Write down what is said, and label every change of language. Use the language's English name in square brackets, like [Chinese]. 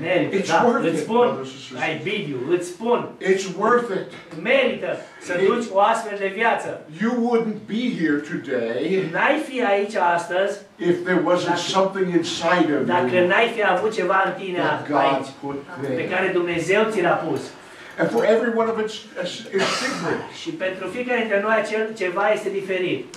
[Romanian] Merită, îți spun. [English] It's worth it. [Romanian] Merită să duci o astfel de viață. [English] You wouldn't be here today. [Romanian] N-ai fi aici astăzi. [English] If there wasn't something inside of you. [Romanian] Dacă n-ai fi avut ceva în tine aici, pe care Dumnezeu ți l-a pus. [English] And for every one of us, it's different. [Romanian] Și pentru fiecare dintre noi acel ceva este diferit.